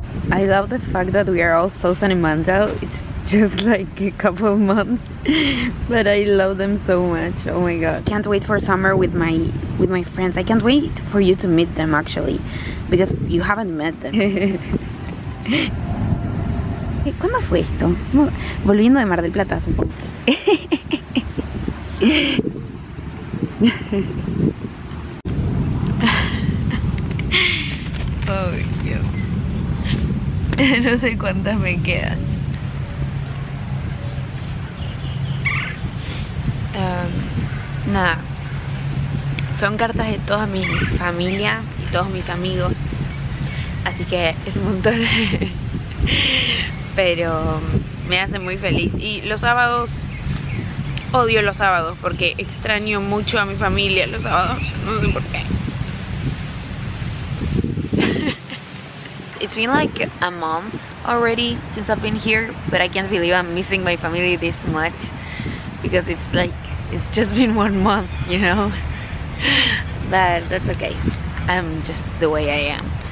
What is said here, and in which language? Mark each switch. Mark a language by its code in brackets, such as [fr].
[en] I love the fact that we are all so sentimental. It's just like a couple months, but I love them so much. Oh my god, can't wait for summer with my friends. I can't wait for you to meet them, actually, because you haven't met them. [es] ¿Cuándo fue esto? Volviendo de Mar del Plata hace un poco. No sé cuántas me quedan. Nada. Son cartas de toda mi familia y todos mis amigos. Así que es un montón. Pero me hace muy feliz. Y los sábados, odio los sábados porque extraño mucho a mi familia los sábados. No sé por qué. [en] It's been like a month already since I've been here, but I can't believe I'm missing my family this much, because it's like, it's just been 1 month, you know? But that's okay, I'm just the way I am.